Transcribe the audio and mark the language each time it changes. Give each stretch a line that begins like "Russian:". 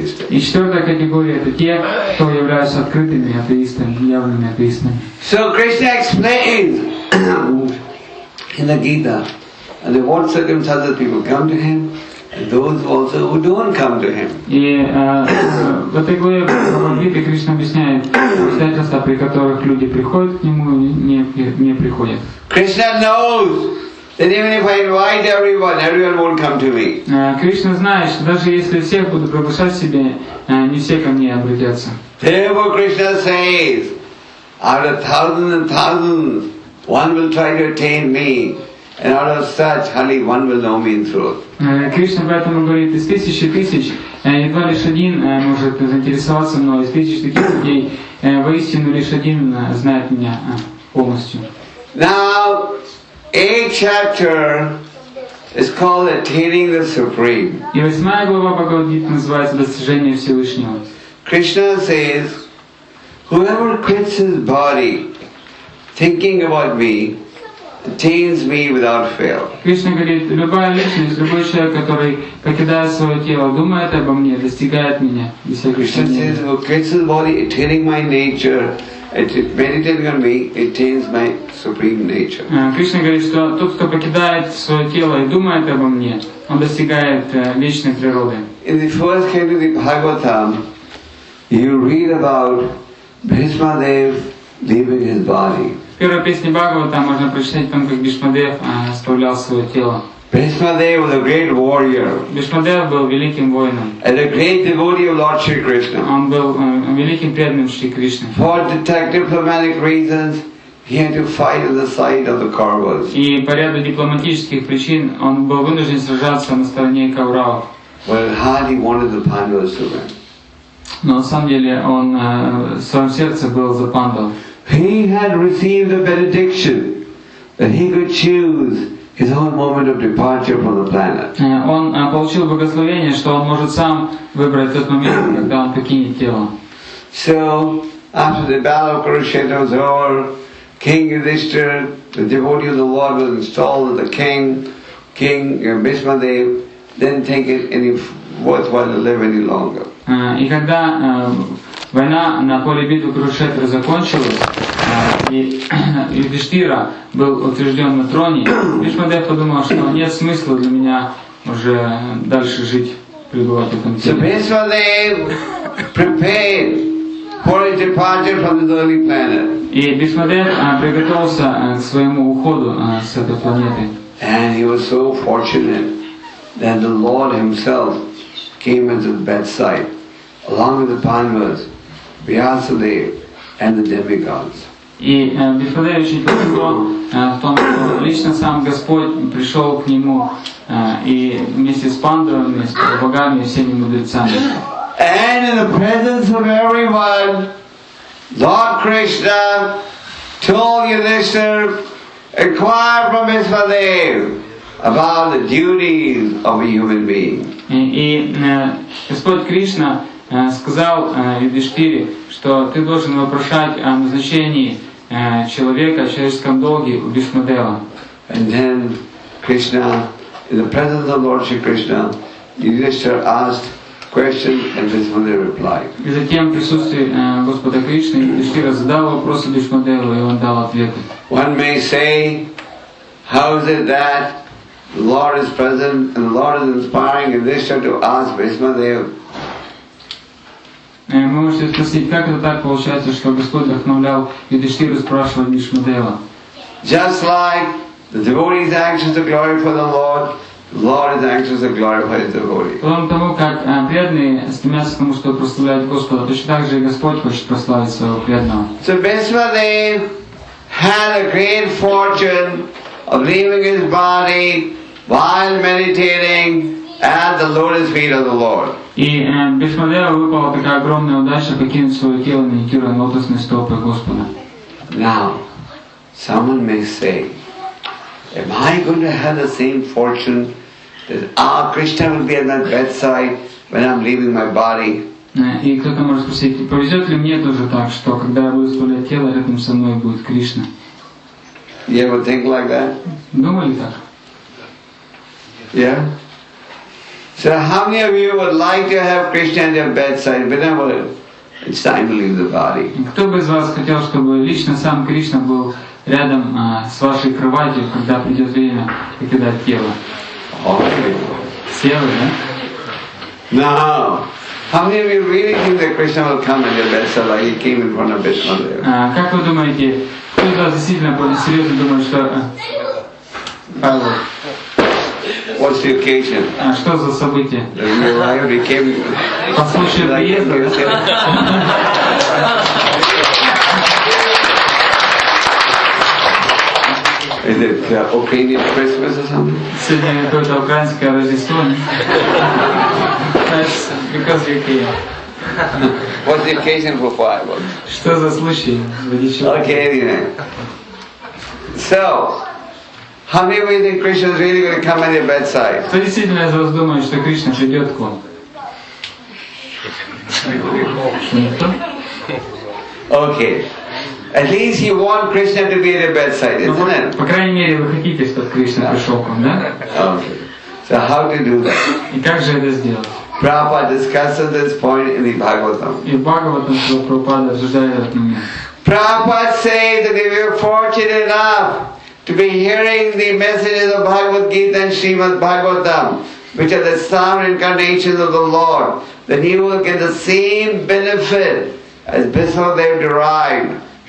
Russian: И четвертая категория это те, кто являются открытыми атеистами, явными атеистами.
English: So Krishna explains in the Gita and in what circumstances people come to him and those also who don't come to him.
Russian: И в этой главе Гиты Кришна объясняет обстоятельства, при которых люди приходят к нему и не приходят.
English: Krishna knows. Then even if I invite everyone won't come to me.
Russian: Кришна знает, что даже если всех буду приглашать себе, не все ко мне обратятся.
English: Therefore Krishna says, out of thousands and thousands, one will try to attain me, and out of such, only one will know me in truth.
Russian: Кришна поэтому говорит, из тысяч и тысяч, едва лишь один может заинтересоваться мной, из тысяч таких людей, воистину лишь один знает меня полностью.
English: Now, a chapter is called Attaining the Supreme.
Russian: И восьмая глава Бхагавад Гиты называется «Достижение Всевышнего».
English: Krishna says, whoever quits his body thinking about me attains me without fail.
Russian: Кришна говорит, любая личность, любой человек, который покидает свое тело, думает обо мне, достигает меня.
English: Krishna says, who quits his body attaining my nature, meditating on me attains my supreme nature.
Russian: Кришна говорит, что тот, кто покидает свое тело и думает обо мне, он достигает вечной природы.
English: In the first canto of the Bhagavatam, you read about Bhishma Dev leaving his body.
Russian: В первой песне Бхагавата можно прочитать о том, как Бхишма Дев оставлял свое тело.
English: Bhishma Dev was a great warrior.
Russian: Bhishma Dev был великим воином.
English: And a great devotee of Lord Shri Krishna.
Russian: Он был великим преданным Шри Кришне.
English: For diplomatic reasons, He had to fight on the side of the Kauravas.
Russian: И по ряду дипломатических причин он был вынужден сражаться на стороне Кауравов.
English: Well, hardly wanted the Pandavas to win.
Russian: Но на самом деле он в своем сердце был за Пандав.
English: He had received a benediction that he could choose his own moment of departure from the planet.
Russian: Он получил благословение, что он может сам выбрать тот момент, когда он покинет тело.
English: So after the battle of Kurukshetra was over, King Yudhishthira, the devotee of the Lord, was installed as the king. King Bhishma Dev didn't think it any worthwhile to live any longer.
Russian: И когда война на поле битвы Курукшетры закончилась, и Юдиштира был утвержден на троне, Бхишма Дев подумал, что нет смысла для меня уже дальше жить, пребывать в этом теле.
English: So Bhishma Dev prepared for his departure from the early planet.
Russian: И Бхишма Дев приготовился к своему уходу с этой планеты.
English: And he was so fortunate that the Lord himself came into the bedside along with the Pandavas, Vyasadev and the demigods.
Russian: И Бхишмадев очень повезло в том, что лично сам Господь пришел к нему и вместе с Пандавами, с богами и всеми мудрецами.
English: And in the presence of everyone, Lord Krishna told Yudhishthira, inquire from Bhishmadev about the duties of a human being.
Russian: И Господь Кришна сказал Юдиштире, что ты должен вопрошать о назначении человека, о человеческом долге у Бхишмадева.
English: And then Krishna, in the presence of Lord Shri Krishna, Yudhishthira asked questions and Bhishmadev replied.
Russian: И затем в присутствии Господа Кришны Юдиштира задал вопросы Бхишмадеву, и он дал ответы.
English: One may say, how is it that the Lord is present and the Lord is inspiring Yudhishthira to ask Bhishmadev?
Russian: Мы можем спросить, как это так получается, что Господь вдохновлял Юдиштиру спрашивать Бхишмадева?
English: Just like the devotee is anxious to glorify the Lord, the Lord is anxious to glorify his devotee.
Russian: Подобно тому, как преданные стремятся к тому, чтобы прославлять Господа, точно так же и Господь хочет прославить своего преданного.
English: So Bhishmadev had a great fortune of leaving his body while meditating at the lotus feet of the Lord.
Russian: И Бхишмадеву выпала такая огромная удача покинуть свое тело, медитируя на лотосные стопы Господа.
English: Now, someone may say, am I going to have the same fortune that our Krishna will be at my bedside when I'm leaving my body?
Russian: И кто-то может спросить, повезет ли мне тоже так, что когда я буду оставлять тело, рядом со мной будет Кришна?
English: You ever think like that?
Russian: Думали так?
English: Yeah? So how many of you would like to have Krishna at your bedside whenever it's time to leave the body?
Russian: Кто бы из вас хотел, чтобы лично сам Кришна был рядом с вашей кроватью, когда придет время покидать тело?
English: Okay.
Russian: Все, да?
English: No. How many of you really think that Krishna will come at your bedside like he came in front of Bhishma Dev?
Russian: Как вы думаете, кто из вас действительно более серьезно думает, что...
English: What's the occasion?
Russian: Что за событие?
English: You arrived, you came.
Russian: По случаю приезда.
English: Is it the Ukrainian Christmas or something?
Russian: Сегодня какое-то украинское Рождество.
English: That's because you came. What's the occasion for fireworks?
Russian: Что за случай?
English: Okay, anyway. So. How many of you think Krishna is really going to come at your bedside?
Russian: Кто действительно из вас думает, что Кришна придет к вам?
English: Okay. At least you want Krishna to be at your bedside, isn't it?
Russian: По крайней мере, вы хотите, чтобы Кришна пришел к вам, да?
English: Okay. So how to do that?
Russian: И как же это сделать?
English: Prabhupada discusses this point in the Bhagavatam.
Russian: И в Бхагаватам Прабхупада обсуждает этот момент.
English: Prabhupada says that if you're fortunate enough to be hearing the messages of Bhagavad Gita and Srimad Bhagavatam, which are the sovereign incarnations of the Lord, then you will get the same benefit as Bhishma Dev derived.